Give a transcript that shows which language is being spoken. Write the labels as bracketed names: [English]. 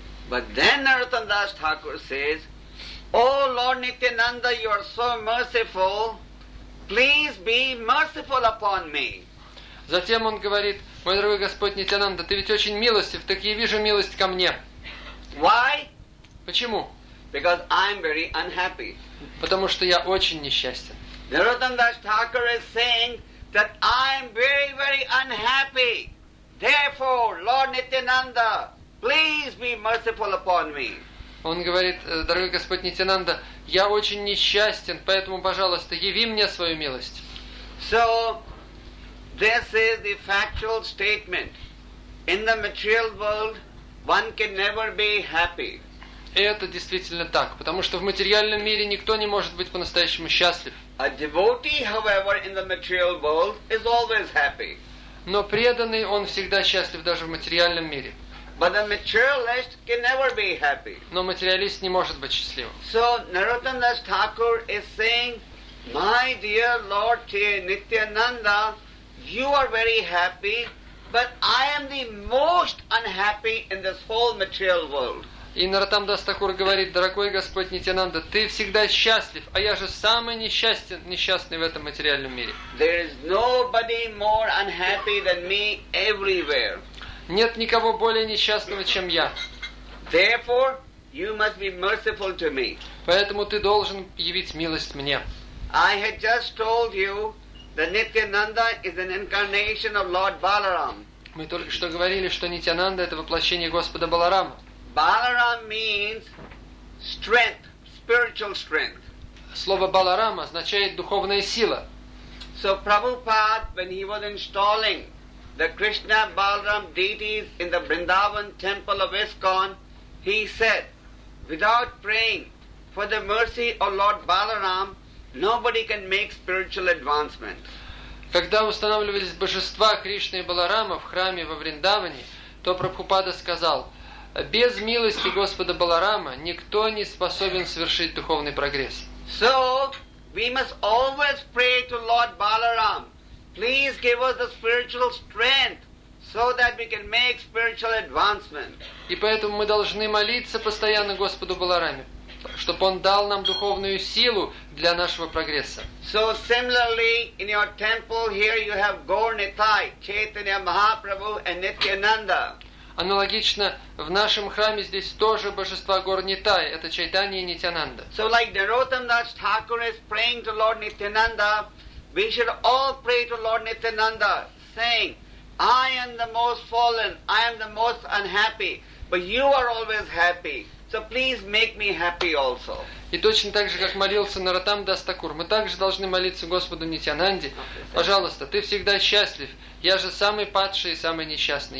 [English] But then Narottam Das Thakur says, O Lord Nityananda, you are so merciful, please be merciful upon me. [Russian] Затем он говорит, мой дорогой Господь Нитьянанда, ты ведь очень милостив, так я вижу милость ко мне. [English] Why? [Russian] Почему? [English] Because I'm very unhappy. [Russian] Потому что я очень несчастен. [English] Narottam Das Thakur is saying that I'm very, very unhappy. Therefore, Lord Nityananda, please be merciful upon me. [Russian] Он говорит, дорогой Господь Нитьянанда, я очень несчастен, поэтому, пожалуйста, яви мне свою милость. [English] So, this is the factual statement. In the material world, one can never be happy. [Russian] Это действительно так, потому что в материальном мире никто не может быть по-настоящему счастлив. [English] A devotee, however, in the material world is always happy. [Russian] Но преданный, он всегда счастлив даже в материальном мире. [English] But a materialist can never be happy. [Russian] Но материалист не может быть счастливым. [English] So, Narottam Das Thakur is saying, My dear Lord Nityananda, you are very happy, but I am the most unhappy in this whole material world. [Russian] И Нараттам Дас Такур говорит, дорогой Господь Нитьянанда, ты всегда счастлив, а я же самый несчастный в этом материальном мире. [English] There is nobody more unhappy than me everywhere. [Russian] Нет никого более несчастного, чем я. [English] Therefore, you must be merciful to me. [Russian] Поэтому ты должен явить милость мне. [English] I had just told you that Nityananda is an incarnation of Lord Balaram. [Russian] Мы только что говорили, что Нитьянанда это воплощение Господа Баларама. [English] Balaram means strength, spiritual strength. [Russian] Слово Баларам означает духовная сила. [English] So Prabhupada, when he was installing the Krishna Balaram deities in the Vrindavan temple of ISKCON, he said, without praying for the mercy of Lord Balaram, nobody can make spiritual advancement. [Russian] Когда устанавливались божества Кришны и Баларама в храме во Вриндаване, то Прабхупада сказал, без милости Господа Баларама никто не способен совершить духовный прогресс. [English] So, we must always pray to Lord Balaram. Please give us the spiritual strength so that we can make spiritual advancement. [Russian] И поэтому мы должны молиться постоянно Господу Балараме, чтобы он дал нам духовную силу для нашего прогресса. [English] So, similarly, in your temple here you have Горнитай, Чайтанья Махапрабху and Нитьянанда. [Russian] Аналогично, в нашем храме здесь тоже божества Горнитай, это Чайтанья и Нитьянанда. [English] So, like Narottam Das Thakur is praying to Lord Nityananda, we should all pray to Lord Nityananda, saying, I am the most fallen, I am the most unhappy, but you are always happy, so please make me happy also. [Russian] И точно так же, как молился Нараттам Дас Такур, мы также должны молиться Господу Нитьянанде. Пожалуйста, ты всегда счастлив. Я же самый падший и самый несчастный.